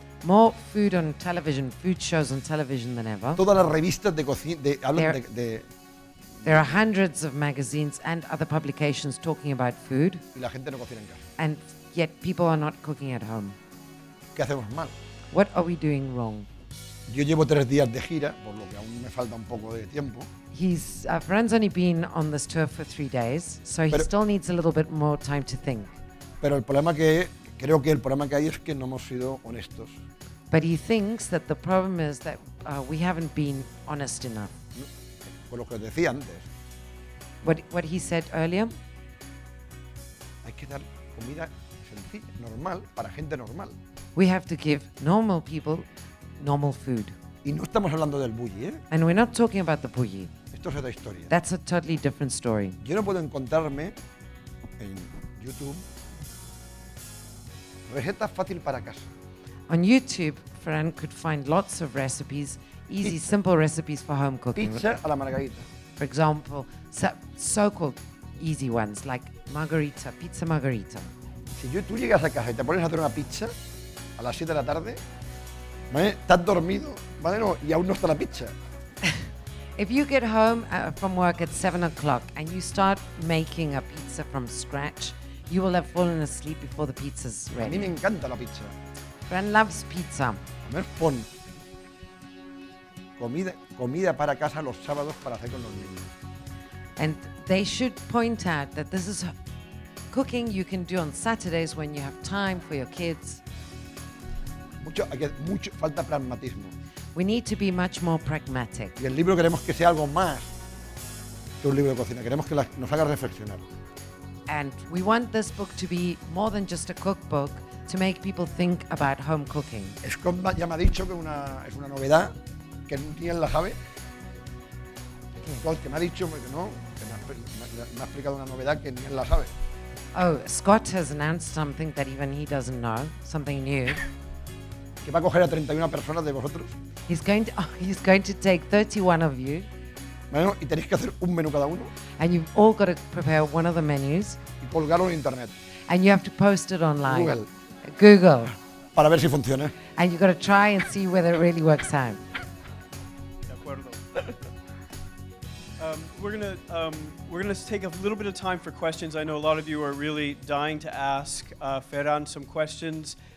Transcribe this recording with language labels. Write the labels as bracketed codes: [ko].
[en] More food on television, food shows on television than ever. [es] Todas las revistas de cocina hablan de. [en] There are hundreds of magazines and other publications talking about food. [es] Y la gente no cocina en casa. [en] And yet people are not cooking at home. [es] ¿Qué hacemos mal? [en] What are we doing wrong? [es] Yo llevo 3 días de gira, por lo que aún me falta un poco de tiempo. [en] Ferran's only been on this tour for 3 days, so he still needs a little bit more time to think. [es] Pero el problema que creo que el problema que hay es que no hemos sido honestos. [en] But he thinks that the problem is that we haven't been honest enough. [es] Por lo que os decía antes. [en] What he said earlier. [es] Hay que dar comida sencilla, normal, para gente normal. [en] We have to give normal people normal food. [es] Y no estamos hablando del Bulli, ¿eh? [en] And we're not talking about the Bulli. [es] Esto es otra historia. [en] That's a totally different story. [es] Yo no puedo encontrarme en YouTube receta fácil para casa. [en] On YouTube, Ferran could find lots of recipes, easy, pizza. Simple recipes for home cooking. [es] Pizza a la margarita. [en] For example, so-called easy ones, like margarita, pizza margarita. [es] Si tú llegas a casa y te pones a hacer una pizza a las 7 de la tarde, ¿vale? Estás dormido, ¿vale? No, y aún no está la pizza. [en] If you get home from work at 7 o'clock and you start making a pizza from scratch, you will have fallen asleep before the pizza's ready. [es] A mí me encanta la pizza. [en] Fran loves pizza. [es] A ver, pon comida, comida para casa los sábados para hacer con los niños. [en] And they should point out that this is cooking you can do on Saturdays when you have time for your kids. [es] Mucho, hay que, mucho, falta pragmatismo. [en] We need to be much more pragmatic. [es] Y el libro queremos que sea algo más que un libro de cocina. Queremos que nos haga reflexionar. [en] And we want this book to be more than just a cookbook, to make people think about home cooking. [es] Scott ya me ha dicho que una, es una novedad, que ni él la sabe. Scott, que me ha dicho que no, que me ha explicado una novedad que ni él la sabe. [en] Oh, Scott has announced something that even he doesn't know, something new. [es] Que va a coger a 31 personas de vosotros. [en] He's going to take 31 of you. [es] Bueno, y tenéis que hacer un menú cada uno. [en] And you've all got to prepare one of the menus. [es] Y colgarlo en internet. [en] And you have to post it online. [es] Google. Para ver si funciona. [en] And you've got to try and see whether it really works out. [es] De acuerdo. [en] We're gonna take a little bit of time for questions. I know a lot of you are really dying to ask Ferran some questions.